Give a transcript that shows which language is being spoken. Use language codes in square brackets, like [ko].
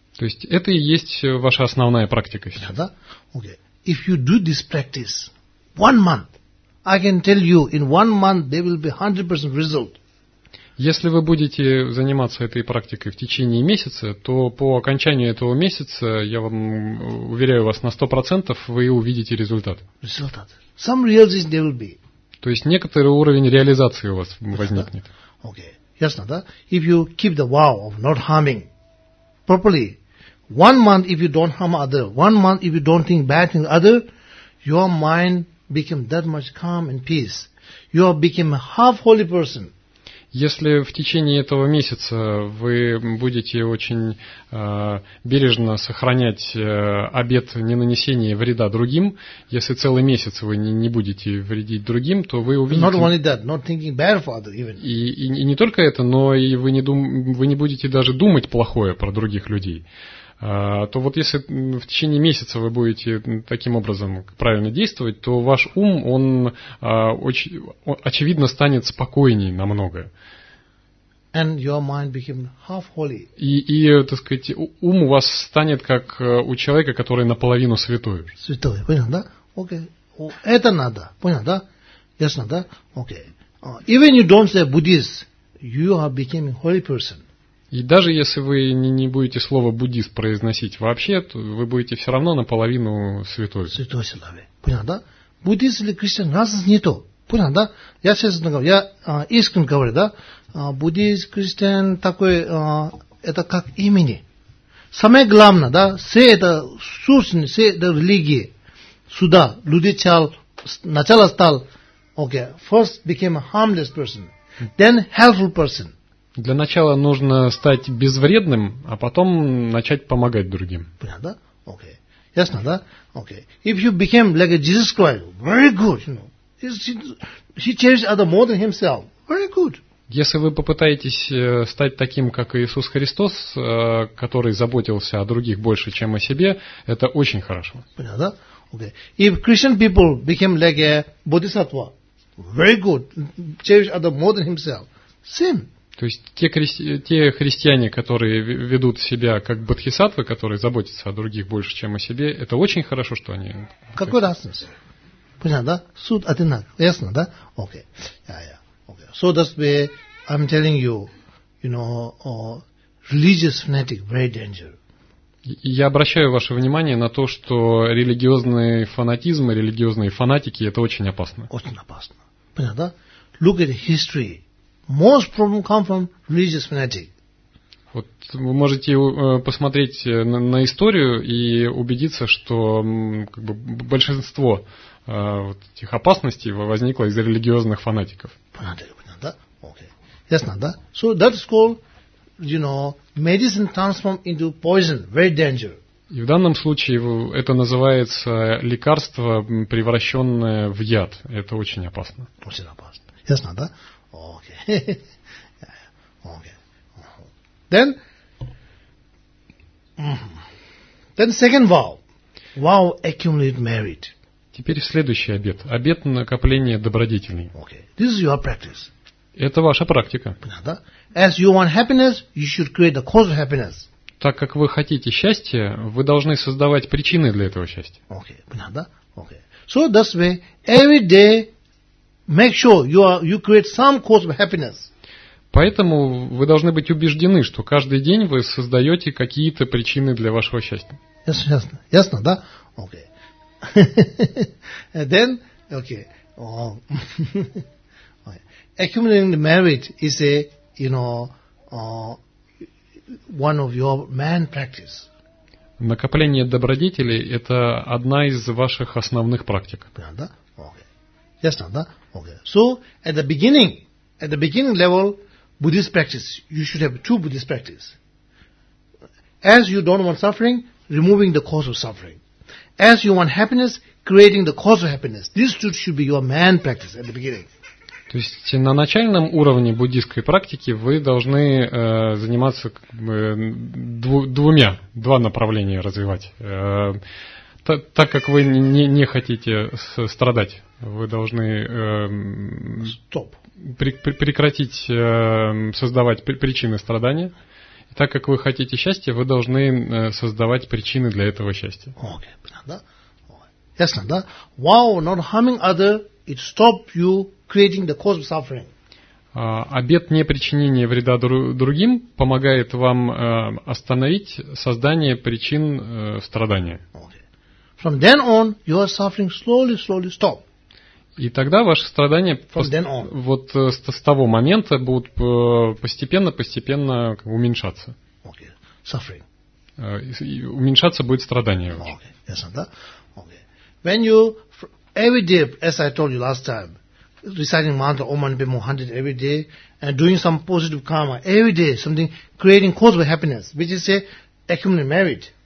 [ru] То есть это и есть ваша основная практика сейчас. Да? Okay. [en] If you do this practice one month, I can tell you in one month there will be 100% result. [ru] Если вы будете заниматься этой практикой в течение месяца, то по окончанию этого месяца я вам уверяю вас на 100% вы увидите результат. Результат. [en] Some realization there will be. [ru] То есть некоторый уровень реализации у вас возникнет. Okay. Ясно, да? [en] If you keep the vow of not harming properly, one month if you don't harm other, one month if you don't think bad things other, your mind become that much calm and peace. You have become a half holy person. [ru] Если в течение этого месяца вы будете очень бережно сохранять обет ненанесения вреда другим, если целый месяц вы не будете вредить другим, то вы увидите... [en] Not only that, not thinking bad for other even. [ru] И не только это, но и вы не будете даже думать плохое про других людей. То вот если в течение месяца вы будете таким образом правильно действовать, то ваш ум, он очевидно станет спокойней намного. [en] And your mind became half holy. [ru] И, так сказать, ум у вас станет как у человека, который наполовину святой. Святой, понял, да? Окей. Okay. Это надо, понял, да? Ясно, да? Окей. Okay. [en] Even you don't say Buddhist, you have become a holy person. [ru] И даже если вы не будете слово буддист произносить вообще, то вы будете все равно наполовину святой. Святой человек. Понял, да? Буддист или христиан, разница не то. Понял, да? Я сейчас говорю, я искренне говорю, да? Буддист, христиан, такой, это как имени. Самое главное, да? Все это сущность, все это религии. Сюда, люди чал, сначала стал, окей, [en] first became a harmless person, then helpful person. [ru] Для начала нужно стать безвредным, а потом начать помогать другим. Понятно, да? Окей. Okay. Ясно, да? Окей. Okay. [en] If you became like a Jesus Christ, very good, you know. He changed other more than himself. Very good. [ru] Если вы попытаетесь стать таким, как Иисус Христос, который заботился о других больше, чем о себе, это очень хорошо. Понятно, да? Окей. Okay. [en] If Christian people became like a Bodhisattva, very good. Changed other more than himself. Same. [ru] То есть те христиане, которые ведут себя как бодхисаттвы, которые заботятся о других больше, чем о себе, это очень хорошо, что они... Какой разница? Понятно, да? Суд одинаково. Ясно, да? Окей. Okay. Yeah. Okay. [en] So that's where I'm telling you, you know, religious fanatic very dangerous. [ru] Я обращаю ваше внимание на то, что религиозный фанатизм и религиозные фанатики – это очень опасно. Очень опасно. Понятно, да? [en] Look at the history. Most problem come from religious fanatic. [ru] Вот вы можете посмотреть на историю и убедиться, что как бы, большинство вот этих опасностей возникло из-за религиозных фанатиков. Понятно, да? Окей. Okay. Ясно, да? [en] So that is called, you know, medicine transform into poison, very dangerous. [ru] И в данном случае это называется лекарство, превращенное в яд. Это очень опасно. Очень опасно. Ясно, да? Okay. Okay. [en] Then, then second vow. Vow accumulate merit. [ru] Теперь следующий обет. Обет накопления добродетелей. [en] Okay. This is your practice. [ru] Это ваша практика. [en] As you want happiness, you should create the cause of happiness. [ru] Так как вы хотите счастья, вы должны создавать причины для этого счастья. [en] Okay. [ru] Понятно? [en] Okay. So that's why every day make sure you create some cause of happiness. [ru] Поэтому вы должны быть убеждены, что каждый день вы создаете какие-то причины для вашего счастья. Ясно, ясно, ясно, да? Okay. [en] Then, okay. Okay. Accumulating the merit is a, you know, one of your main practice. [ru] Накопление добродетелей – это одна из ваших основных практик. Понятно, да? [en] Okay. [ru] Ясно, да? [en] Okay. So, at the beginning level, Buddhist practice. You should have two Buddhist practices. As you don't want suffering, removing the cause of suffering. As you want happiness, creating the cause of happiness. These two should be your main practice at the beginning. [ru] То есть на начальном уровне буддийской практики вы должны заниматься два направления развивать. Так как вы не хотите страдать, вы должны прекратить создавать причины страдания. И так как вы хотите счастья, вы должны создавать причины для этого счастья. [en] Okay. Yes, да? Wow, not harming other, it stop you creating the cause of suffering. [ru] Обет непричинения вреда другим помогает вам остановить создание причин страдания. [en] Okay. From then on, your suffering slowly, slowly stop. [ru] И тогда ваши страдания вот с того момента будут постепенно уменьшаться. [en] Okay. Suffering. [ru] И уменьшаться будет страдание. [en] Okay. Yes, and that. Okay. When you every day, as I told you last time, reciting mantra Om Mani Padme Hum every day and doing some positive karma every day, something creating cause for happiness, which is say accumulated merit.